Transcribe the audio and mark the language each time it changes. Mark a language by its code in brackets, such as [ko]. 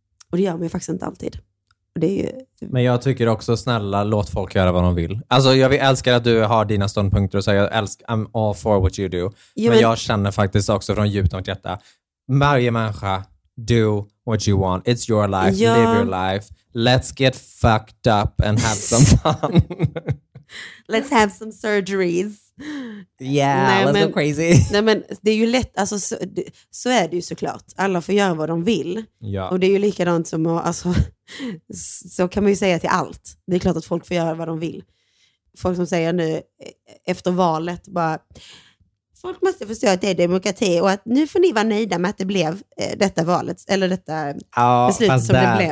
[sv] Och det gör man ju faktiskt inte alltid. Det är ju... Men jag tycker också, snälla, låt folk göra vad de vill. Alltså jag älskar att du har dina ståndpunkter och säger jag älskar, [en] I'm all for what you do. [sv] Men jag känner faktiskt också från djupt av detta, varje människa, [en] do what you want. It's your life, ja. Live your life. Let's get fucked up and have some fun. Let's have some surgeries. Yeah, nej, let's go crazy. [sv] Nej, men det är ju lätt, alltså, så är det ju såklart. Alla får göra vad de vill. Ja. Och det är ju likadant som att, alltså, så kan man ju säga till allt. Det är klart att folk får göra vad de vill. Folk som säger nu efter valet bara, folk måste förstå att det är demokrati och att nu får ni vara nöjda med att det blev detta valet eller detta beslut som det blev.